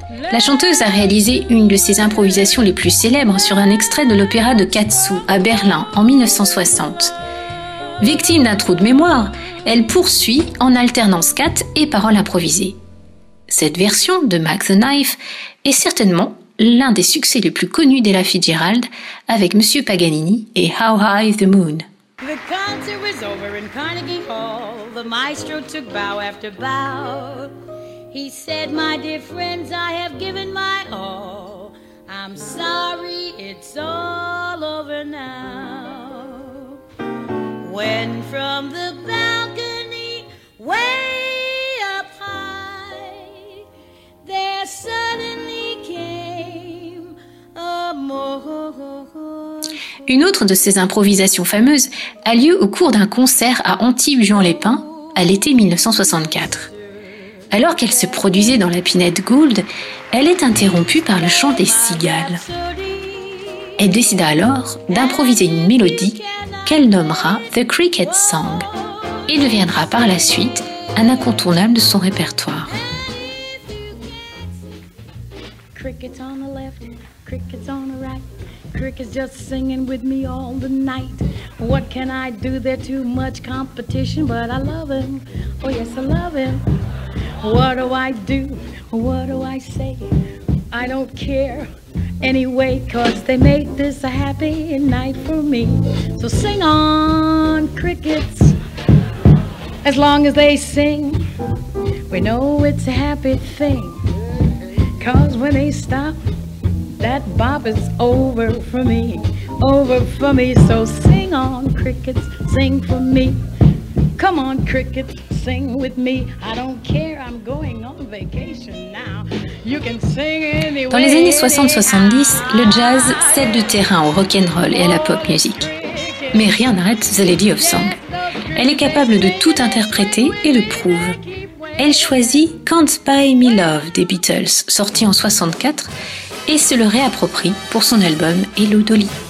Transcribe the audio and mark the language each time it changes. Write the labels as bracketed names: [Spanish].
[French] La chanteuse a réalisé une de ses improvisations les plus célèbres sur un extrait de l'opéra de Katsu à Berlin en 1960. Victime d'un trou de mémoire, elle poursuit en alternant scat et paroles improvisées. Cette version de Mack the Knife est certainement l'un des succès les plus connus d'Ella Fitzgerald avec Monsieur Paganini et How High the Moon. [English] The concert was over in Carnegie Hall. The maestro took bow after bow. He said, my dear friends, I have given my all. I'm sorry, it's all over now. When from the balcony, way up high, there suddenly came a moment. [French] Une autre de ses improvisations fameuses a lieu au cours d'un concert à Antibes-Juan-les-Pins à l'été 1964. Alors qu'elle se produisait dans la Pinette Gould, elle est interrompue par le chant des cigales. Elle décida alors d'improviser une mélodie qu'elle nommera « The Cricket Song » et deviendra par la suite un incontournable de son répertoire. [English] Crickets on the left, crickets on the right, crickets just singing with me all the night. What can I do? They're too much competition, but I love him. Oh yes, I love him. What do? What do I say? I don't care anyway, 'cause they made this a happy night for me. So sing on, crickets, as long as they sing, we know it's a happy thing. 'Cause when they stop, that bop is over for me, over for me. So sing on, crickets, sing for me. Come on, crickets, sing with me. I don't care, I'm going on vacation now. You can sing anywhere. [French] Dans les années 60-70, le jazz cède du terrain au rock'n'roll et à la pop music. Mais rien n'arrête The Lady of Song. Elle est capable de tout interpréter et le prouve. Elle choisit Can't Buy Me Love des Beatles, sorti en 64, et se le réapproprie pour son album Hello Dolly.